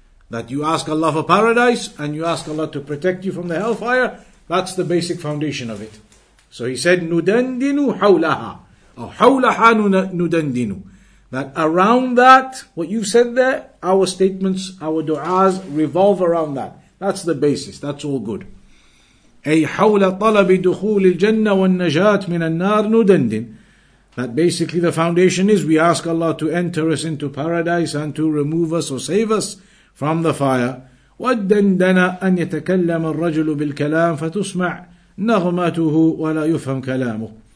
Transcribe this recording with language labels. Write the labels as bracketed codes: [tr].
[en] That you ask Allah for paradise, and you ask Allah to protect you from the hellfire, that's the basic foundation of it. So he said, [ar] Nudandinu hawlaha. [en] Or [ar] hawlaha nudandinu. [en] That around that, what you said there, our statements, our du'as revolve around that. That's the basis. That's all good. [ar] أي حول طلب دخول الجنة والنجاة من النار ندندن. [en] That basically the foundation is we ask Allah to enter us into paradise and to remove us or save us from the fire. [ar] ودندنا أن يتكلم الرجل بالكلام فتسمع نغمته ولا يفهم كلامه.